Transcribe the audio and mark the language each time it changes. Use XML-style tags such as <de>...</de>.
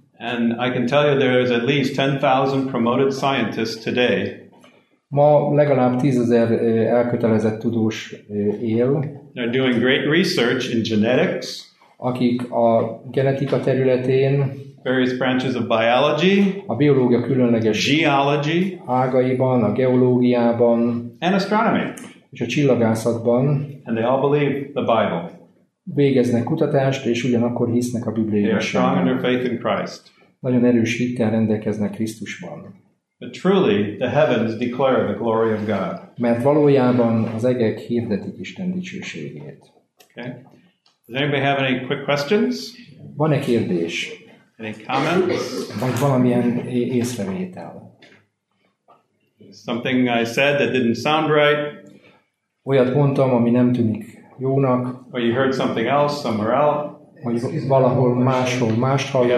<en>And I can tell you there is at least 10,000 promoted scientists today.</en> <hu>Ma legalább 10,000 elkötelezett tudós él.</hu> <en>They're doing great research in genetics.</en> <hu>Akik a genetika területén,</hu> <en>various branches of biology,</en> <hu>a biológia különleges</hu> <en>geology,</en> <hu>ágaiban, a geológiában,</hu> <en>and astronomy,</en> <hu>és a csillagászatban,</hu> <en>and they all believe the Bible.</en> <hu>Végeznek kutatást, és ugyanakkor hisznek a Bibliában.</hu> <en>They are strong in their faith in Christ.</en> <hu>Nagyon erős hittel rendelkeznek Krisztusban.</hu> <en>But truly, the heavens declare the glory of God.</en> <hu>Mert valójában az egek hirdetik Isten dicsőségét.</hu> <en>Okay. Does anybody have any quick questions?</en> <hu>Van-e kérdés?</hu> <en>Any comments?</en> <hu>Vagy valamilyen észrevétel?</hu> <en>Something I said that didn't sound right.</en> <hu>Olyat mondtam, ami nem tűnik jónak.</hu> <en>Or you heard something else somewhere else.</en> <hu>Vagy valahol máshol, mást hallottál.</hu>